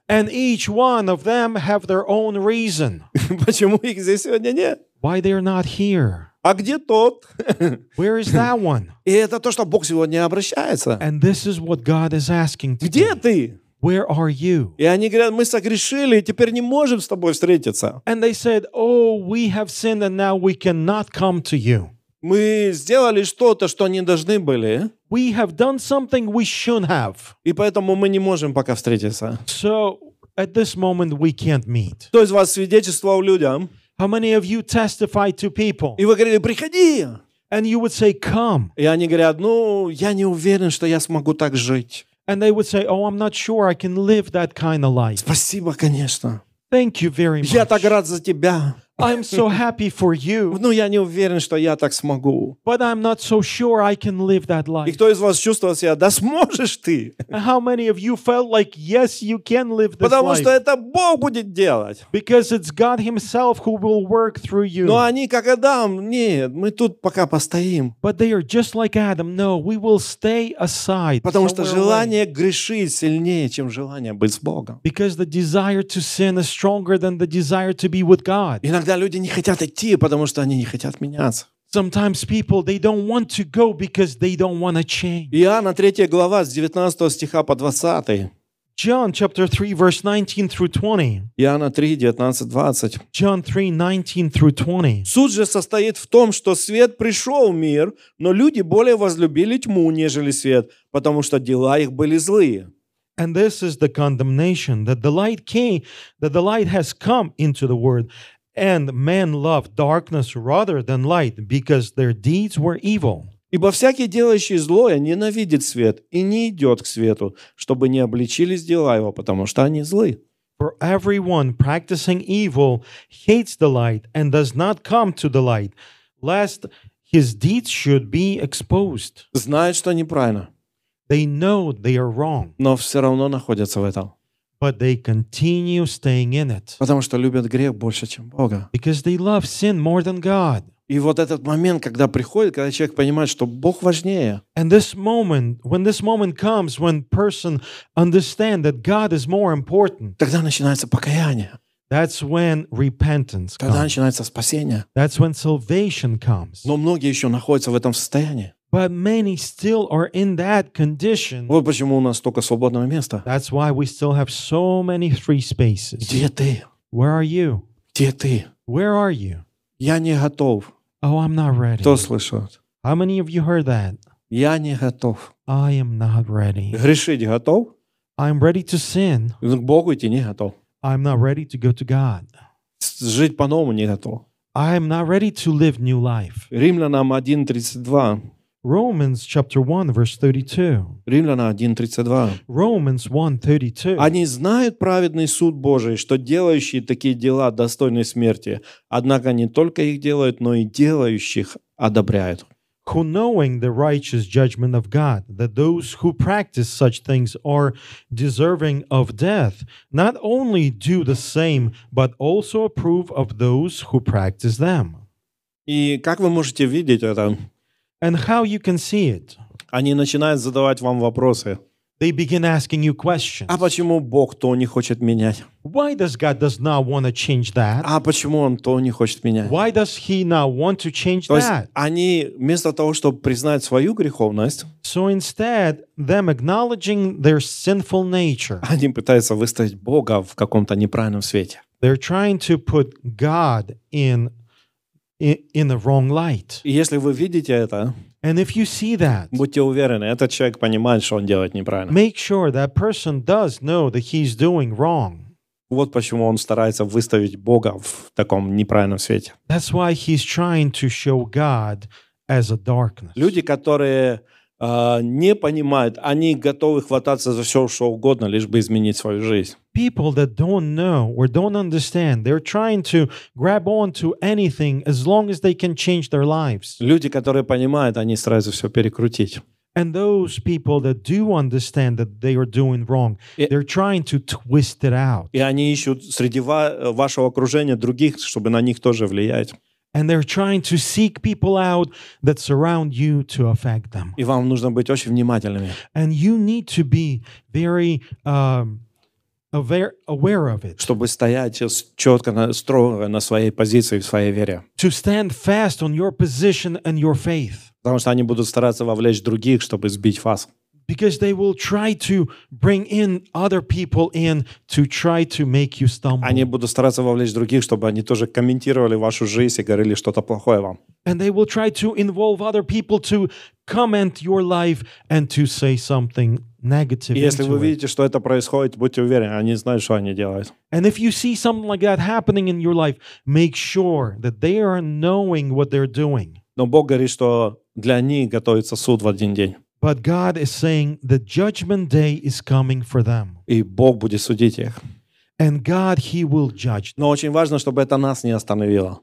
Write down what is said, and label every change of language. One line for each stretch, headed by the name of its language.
English: And each one of them have their own reason.
Russian: Почему их здесь сегодня нет?
English: Why they're not here?
Russian: А где тот?
English: Where is that one?
Russian: И это то, что Бог сегодня обращается.
English: And this is what God is asking today.
Russian: Где ты?
English: Where are you?
Russian: И они говорят: "Мы согрешили, теперь не можем с тобой встретиться."
English: And they said, "Oh, we have sinned and now we cannot come to you."
Russian: Мы сделали что-то, что не должны были.
English: We have done something we shouldn't have.
Russian: И поэтому мы не можем пока встретиться.
English: So at this moment we can't meet.
Russian: Кто из вас свидетельствовал людям?
English: How many of you testify to people?
Russian: И вы говорили: "Приходи."
English: And you would say, "Come."
Russian: И они говорят: "Ну, я не уверен, что я смогу так жить."
English: And they would say, "Oh, I'm not sure I can live that kind of life."
Russian: Спасибо, конечно.
English: Thank you very much.
Russian: Я так рад за тебя.
English: I'm so happy for you.
Russian: Ну, я не уверен, что я так смогу.
English: But I'm not so sure I can live that life.
Russian: И кто из вас чувствовал себя: "Да сможешь ты"?
English: How many of you felt like, "Yes, you can live this life"?
Russian: Потому что это Бог будет делать.
English: Because it's God himself who will work through you.
Russian: Но они как Адам: "Нет, мы тут пока постоим."
English: But they are just like Adam: "No, we will stay aside."
Russian: Потому что желание грешить сильнее, чем желание быть с Богом.
English: Because the desire to sin is stronger than the desire to be with God.
Russian: Иногда люди не хотят идти, потому что они не хотят меняться.
English: Sometimes people they don't want to go because they don't want to change.
Russian: Иоанна 3 глава с 19 стиха по 20.
English: John chapter 3 verse 19 through 20.
Russian: Иоанна 3, 19-20.
English: John 3, 19 through 20.
Russian: Суть же состоит в том, что свет пришел в мир, но люди более возлюбили тьму, нежели свет, потому что дела их были злые.
English: And this is the condemnation that the light came, that the light has come into the world. And men loved darkness rather than light, because their deeds were evil.
Russian: Ибо всякий, делающий злое, ненавидит свет и не идет к свету, чтобы не обличились дела его, потому что они злы.
English: For everyone practicing evil hates the light and does not come to the light, lest his deeds should be exposed.
Russian: Знают, что неправильно.
English: They know they are wrong.
Russian: Но все равно находятся в этом.
English: But they continue staying in it.
Russian: Потому что любят грех больше, чем Бога.
English: Because they love sin more than God.
Russian: И вот этот момент, когда приходит, когда человек понимает, что Бог важнее.
English: And this moment comes when person understand that God is more important.
Russian: Тогда начинается покаяние.
English: That's when repentance comes.
Russian: Тогда начинается спасение.
English: That's when salvation comes.
Russian: Но многие еще находятся в этом состоянии.
English: But many still are in that condition.
Russian: Вот почему у нас столько свободного места.
English: That's why we still have so many free spaces.
Russian: Где ты?
English: Where are you?
Russian: Где ты?
English: Where are you?
Russian: Я не готов.
English: Oh, I'm not ready.
Russian: Кто слышит?
English: How many of you heard that?
Russian: Я не готов.
English: I am not ready.
Russian: Грешить готов?
English: I'm ready to sin.
Russian: К Богу идти не готов.
English: I'm not ready to go to God.
Russian: Жить по-новому не готов.
English: I'm not ready to live new life.
Russian: Римлянам 1:32.
English: Romans chapter 1 verse 32.
Russian: Римлянам 1:32.
English: Romans 1:32.
Russian: Они знают праведный суд Божий, что делающие такие дела достойны смерти, однако не только их делают, но и делающих одобряют.
English: Who knowing the righteous judgment of God, that those who practice such things are deserving of death, not only do the same, but also approve of those who practice them.
Russian: И как вы можете видеть это?
English: And how you can see it?
Russian: Они начинают задавать вам вопросы.
English: They begin asking you questions.
Russian: А почему Бог то не хочет менять?
English: Why does God does not want to change that?
Russian: А почему он то не хочет менять?
English: Why does he not want to change that?
Russian: То есть они вместо того, чтобы признать свою греховность,
English: so instead them acknowledging their sinful nature.
Russian: Они пытаются выставить Бога в каком-то неправильном свете.
English: They're trying to put God in the wrong light.
Russian: Если вы видите это,
English: and if you see that,
Russian: будьте уверены, этот человек понимает, что он делает неправильно.
English: Make sure that person does know that he's doing wrong.
Russian: Вот почему он старается выставить Бога в таком неправильном свете.
English: That's why he's trying to show God as a darkness.
Russian: Люди, которые не понимают, они готовы хвататься за все, что угодно, лишь бы изменить свою жизнь.
English: People that don't know or don't understand, they're trying to grab on to anything as long as they can change their lives.
Russian: Люди, которые понимают, они стараются все перекрутить.
English: And those people that do understand that they are doing wrong, they're trying to twist it out.
Russian: И они ищут среди вашего окружения других, чтобы на них тоже влиять.
English: And they're trying to seek people out that surround you to affect them.
Russian: И вам нужно быть очень внимательными.
English: And you need to be very aware of it.
Russian: Чтобы стоять четко, строго на своей позиции, в своей вере.
English: To stand fast on your position and your faith.
Russian: Потому что они будут стараться вовлечь других, чтобы сбить вас.
English: Because they will try to bring in other people in to try to make you stumble.
Russian: Они будут стараться вовлечь других, чтобы они тоже комментировали вашу жизнь и говорили что-то плохое вам.
English: And they will try to involve other people to comment your life and to say something negative.
Russian: Если вы видите, что это происходит, будьте уверены, они знают, что они делают.
English: And if you see something like that happening in your life, make sure that they are knowing what they're doing.
Russian: Но Бог говорит, что для них готовится суд в один день.
English: But God is saying the judgment day is coming for them.
Russian: И Бог будет судить их.
English: And God, He will judge them.
Russian: Но очень важно, чтобы это нас не остановило.